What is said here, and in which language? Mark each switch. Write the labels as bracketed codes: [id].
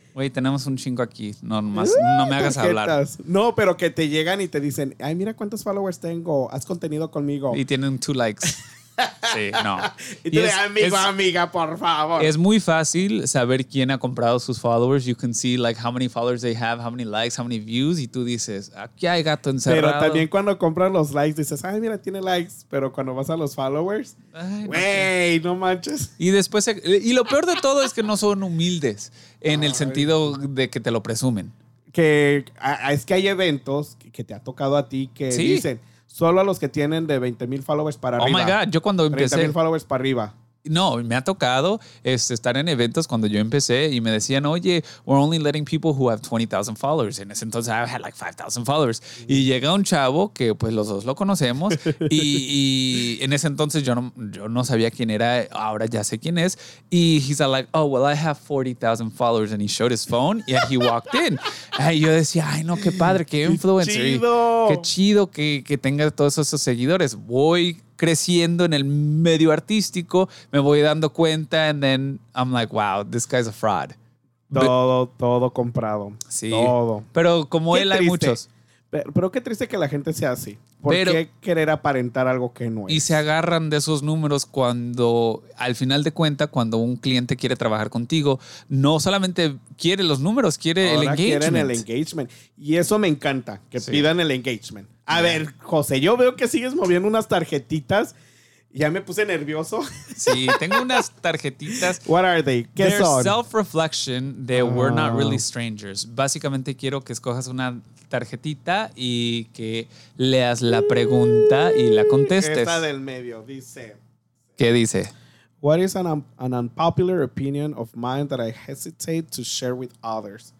[es] Güey, tenemos un chingo aquí. No, nomás, no me hagas hablar. No, pero que te llegan y te dicen, ay, mira cuántos followers tengo. Haz contenido conmigo. Y tienen 2 likes. Sí, no. Y es, amigo, es, amiga, por favor. Es muy fácil saber quién ha comprado sus followers. [en] You can see like how many followers they have, how many likes, how many views. [es] Y tú dices, aquí hay gato encerrado. Pero también cuando compras los likes, dices, ay, mira, tiene likes. Pero cuando vas a los followers, güey, no, no manches. Y después, y lo peor de todo es que no son humildes en el sentido de que te lo presumen. Que es que hay eventos que te ha tocado a ti que ¿sí? dicen... Solo a los que tienen de 20 mil followers para arriba. [en] Oh, my God. [es] Yo cuando empecé... 30 mil followers para arriba. No, me ha tocado estar en eventos cuando yo empecé y me decían, oye, [en] we're only letting people who have 20,000 followers. [es] En ese entonces, [en] I had like 5,000 followers. Y llega un chavo que pues los dos lo conocemos y en ese entonces yo no sabía quién era. [es] Ahora ya sé quién es. Y [en] he's like, oh, well, I have 40,000 followers. And he showed his phone and he walked in. [es] Y yo decía, ay, no, qué padre, qué influencer. ¡Qué chido! Qué chido que tenga todos esos seguidores. Voy... creciendo en el medio artístico, me voy dando cuenta [en] and then I'm like, wow, this guy's a fraud. [es] Todo comprado. Sí. Todo. Pero como él, hay muchos. Pero qué triste que la gente sea así. ¿Por qué querer aparentar algo que no es? Y se agarran de esos números cuando, al final de cuenta, cuando un cliente quiere trabajar contigo, no solamente quiere los números, quiere ahora el engagement. Quieren el engagement. Y eso me encanta, que sí. pidan el engagement. A yeah. ver, José, yo veo que sigues moviendo unas tarjetitas. Ya me puse nervioso. Sí, tengo unas tarjetitas. [en] What are they? [es] ¿Qué [en] They're [es] son? [en] Self-reflection that we're not really strangers. [es] Básicamente quiero que escojas una tarjetita y que leas la pregunta y la contestes. Esta del medio dice. ¿Qué dice? [en] What is an unpopular opinion of mine that I hesitate to share with others?